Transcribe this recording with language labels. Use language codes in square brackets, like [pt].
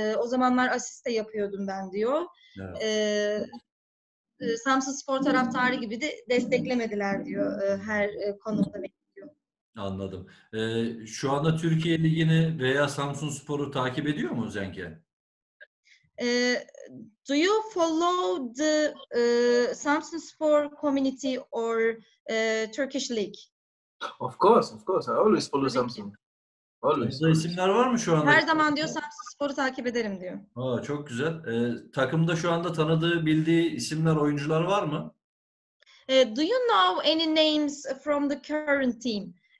[tr] O zamanlar asist de yapıyordum ben diyor. Evet. Samsun Spor taraftarı gibi de desteklemediler diyor her konumda bekliyor. Anladım. Şu anda Türkiye Ligi'ni veya Samsun Spor'u takip ediyor mu Zenke? [en] Do you follow the Samsun Spor community or Turkish League? Of course. I always follow Samsun. [tr] Bizde isimler var mı şu anda? Her zaman diyor Samsun Spor'u takip ederim diyor. Çok güzel. Takımda şu anda tanıdığı, bildiği isimler, oyuncular var mı? [en] Do you know any names from the current team?